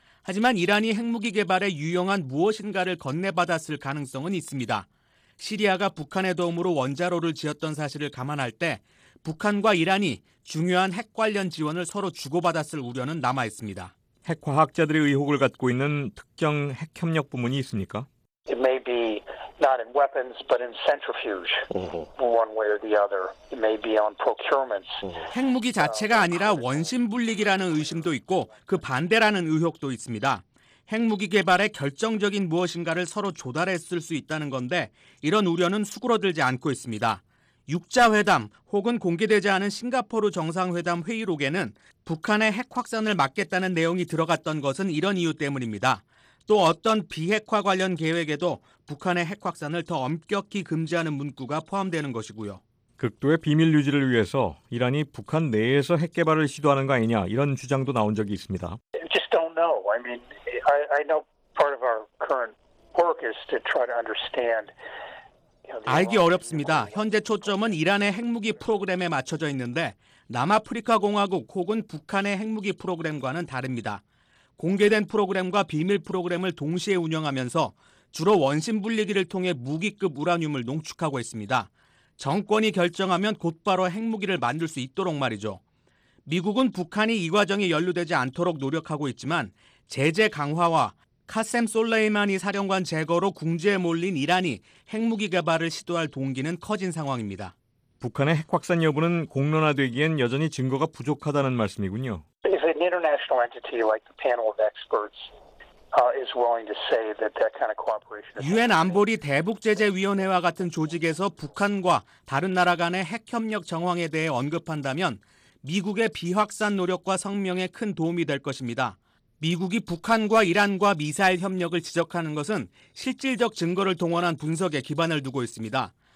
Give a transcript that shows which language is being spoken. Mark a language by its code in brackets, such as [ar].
[ko] 하지만 이란이 핵무기 개발에 유용한 무엇인가를 건네받았을 가능성은 있습니다. 시리아가 북한의 도움으로 원자로를 지었던 사실을 감안할 때 북한과 이란이 중요한 핵 관련 지원을 서로 주고받았을 우려는 남아있습니다. 핵과학자들의 의혹을 갖고 있는 특정 핵협력 부문이 있습니까? [en] It may be not in weapons, but in centrifuge, one way or the other. It may be on procurements. [ko] 핵무기 자체가 아니라 원심불리기라는 의심도 있고 그 반대라는 의혹도 있습니다. 핵무기 개발에 결정적인 무엇인가를 서로 조달했을 수 있다는 건데 이런 우려는 수그러들지 않고 있습니다. 6자회담 혹은 공개되지 않은 싱가포르 정상회담 회의록에는 북한의 핵 확산을 막겠다는 내용이 들어갔던 것은 이런 이유 때문입니다. 또 어떤 비핵화 관련 계획에도 북한의 핵 확산을 더 엄격히 금지하는 문구가 포함되는 것이고요. 극도의 비밀 유지를 위해서 이란이 북한 내에서 핵 개발을 시도하는 거 아니냐 이런 주장도 나온 적이 있습니다. [en] Just don't know. I mean, I know part of our current work is to try to understand. [ko] 알기 어렵습니다. 현재 초점은 이란의 핵무기 프로그램에 맞춰져 있는데 남아프리카공화국 혹은 북한의 핵무기 프로그램과는 다릅니다. 공개된 프로그램과 비밀 프로그램을 동시에 운영하면서 주로 원심불리기를 통해 무기급 우라늄을 농축하고 있습니다. 정권이 결정하면 곧바로 핵무기를 만들 수 있도록 말이죠. 미국은 북한이 이 과정에 연루되지 않도록 노력하고 있지만 제재 강화와 카셈 솔레이마니 사령관 제거로 궁지에 몰린 이란이 핵무기 개발을 시도할 동기는 커진 상황입니다. 북한의 핵 확산 여부는 공론화되기엔 여전히 증거가 부족하다는 말씀이군요. [en] If an international entity like the panel of experts is willing to say that that kind of cooperation, [ko] 유엔 안보리 대북 제재 위원회와 같은 조직에서 북한과 다른 나라 간의 핵 협력 정황에 대해 언급한다면 미국의 비확산 노력과 성명에 큰 도움이 될 것입니다. 미국이 북한과 이란과 미사일 협력을 지적하는 것은 실질적 증거를 동원한 분석에 기반을 두고 있습니다.